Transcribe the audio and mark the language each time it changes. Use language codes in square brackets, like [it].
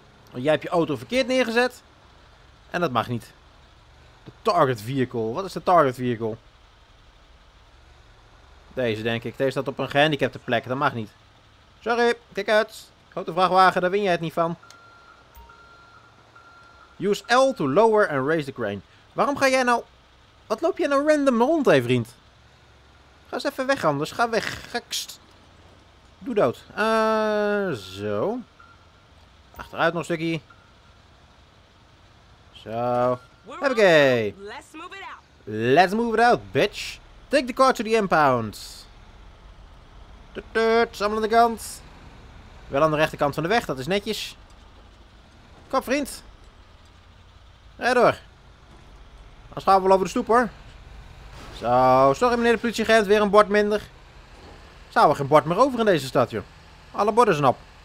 [nl] Want jij hebt je auto verkeerd neergezet. En dat mag niet. De target vehicle. Wat is de target vehicle? Deze, denk ik. Deze staat op een gehandicapte plek. Dat mag niet. Sorry, kijk uit. Grote vrachtwagen, daar win jij het niet van. [en] Use L to lower and raise the crane. [nl] Waarom ga jij nou... Wat loop jij nou random rond, hé, vriend? Ga eens even weg anders. Ga weg. Gekst. Doe dood. Zo. Achteruit nog een stukje. Zo. Hoppakee. [en] Let's move it out, bitch. Take the car to the impound. [nl] Tutut, allemaal aan de kant. Wel aan de rechterkant van de weg, dat is netjes. Kom, vriend. Rijd door. Dan gaan we wel over de stoep, hoor. Zo, sorry meneer de politieagent, weer een bord minder. Zou er geen bord meer over in deze stad, joh. Alle borden zijn op.